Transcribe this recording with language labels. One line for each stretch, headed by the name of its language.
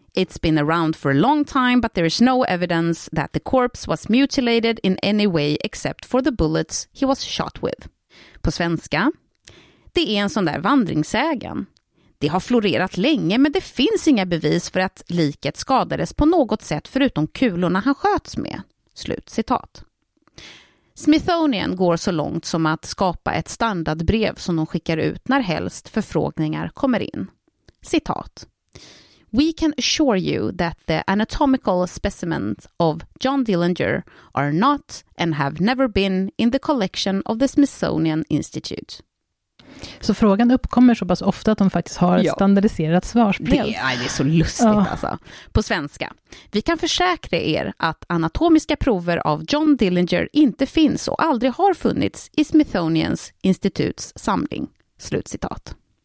English: It's been around for a long time, but there is no evidence that the corpse was mutilated in any way except for the bullets he was shot with."
Swedish: På svenska: "Det är en sån där vandringssägen. Det har florerat länge, men det finns inga bevis för att liket skadades på något sätt förutom kulorna han sköts med." Slut citat. Smithsonian går så långt som att skapa ett standardbrev som de skickar ut när helst förfrågningar kommer in.
English: Citat: "We can assure you that the anatomical specimens of John Dillinger are not and have never been in the collection of the Smithsonian Institute."
Swedish: Så frågan uppkommer så pass ofta att de faktiskt har ett standardiserat svarsbrev. Det är så lustigt alltså. På svenska: "Vi kan försäkra er att anatomiska prover av John Dillinger inte finns och aldrig har funnits i Smithsonian's instituts samling." Slutcitat.